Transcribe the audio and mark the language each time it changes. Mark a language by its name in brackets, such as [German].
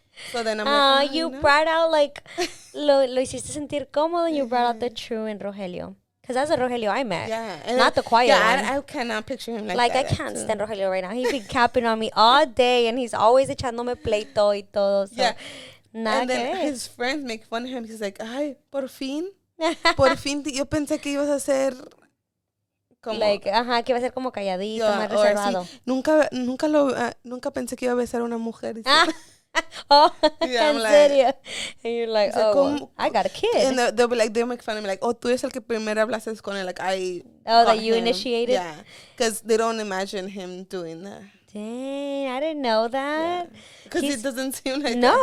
[English] So then I'm like, you brought out, like, lo hiciste sentir cómodo, and you brought out the true in Rogelio. Because that's the Rogelio I met. Yeah. Not the quiet one. Yeah, I cannot picture him like that. Like, that I can't stand Rogelio right now. He's been capping on me all day, and he's always echándome pleito y todo. So. His friends make fun of him. He's like, ay, por fin. [Spanish] Por fin, yo pensé que ibas a ser como... Like, ajá, que iba a ser como calladito, yeah, más reservado. Sí. Nunca pensé que iba a besar a una mujer. Ah. Oh, yeah, ¿en serio? [English] And you're like, oh, como, I got a kid. And they'll be like, they'll make fun of me, like, oh, tú eres el que primero hablaste con él, like, I... Oh, that you initiated? Yeah, because they don't imagine him doing that. Dang, I didn't know that. Because it doesn't seem like no, that.